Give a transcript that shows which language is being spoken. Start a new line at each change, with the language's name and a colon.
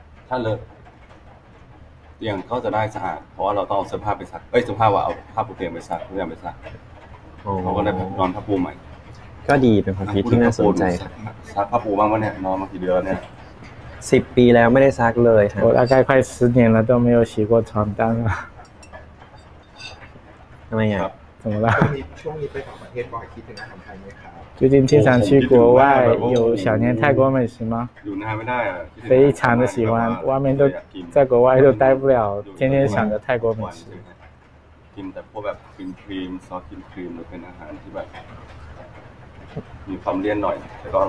Thai: ถ้าเลิกเตียงก็จะได้สะอาดเพราะว่าเราต้องเอาเสื้อผ้าไปซักเอ้ยเสื้อผ้าว่าเอาผ้าปูเตียงไปซักเขาก็ได้นอนผ้าปูใหม่ ก็็ดีเป็นความคิดที่น่าสนใจครับ ซักผ้าปูบ้างวะเนี่ยนอนมากี่เดือนแล้วเนี่ย 10ปีแล้วไม่ได้ซักเลยครับ
Chinese: โอ้大概快10年了都没有洗过床单了
Thai: ทำไมอ่ะ
Chinese: 怎么了
Thai: ช่วงนี้ไปต่างประเทศบ่อยคิดถึงของไทยไหมครับ
Chinese: 最近经常去国外，有想念泰国美食吗？非常的喜欢，外面都在国外都待不了，天天想着泰国美食。吃的都是那种冰淇淋、冰淇淋，都是那种食物，有点黏黏的，但是